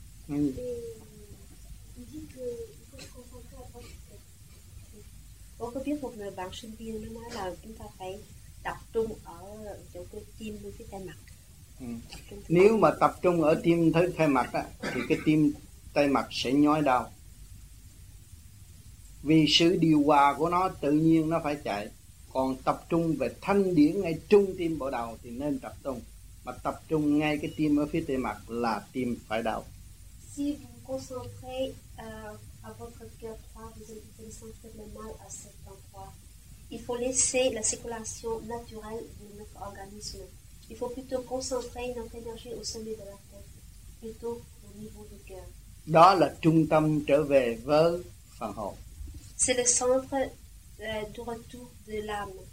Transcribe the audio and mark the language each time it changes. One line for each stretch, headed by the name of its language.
French: Et il dit qu'il faut se concentrer à la pratique.
Vietnamese: Bon, có biết một người bạn sinh viên nó nói là chúng ta phải tập trung ở chỗ cái tim với cái tay mặt. Nếu mà tập trung ở tim thứ tay mặt á, thì cái tim tay mặt sẽ nhói đau vì sự điều hòa của nó tự nhiên nó phải chạy. Còn tập trung về thanh điển ngay trung tim bộ đầu thì nên tập trung, mà tập trung ngay cái tim ở phía tay mặt là tim phải đau.
French: Si vous concentrez à votre cœur droit, vous allez vous sentir le mal à cet endroit. Il faut laisser la circulation naturelle de notre organisme. Il faut plutôt concentrer notre énergie au sommet de la tête plutôt au niveau du cœur.
Vietnamese: Đó là trung tâm trở về với phần hồn.
French: C'est le centre du retour de l'âme.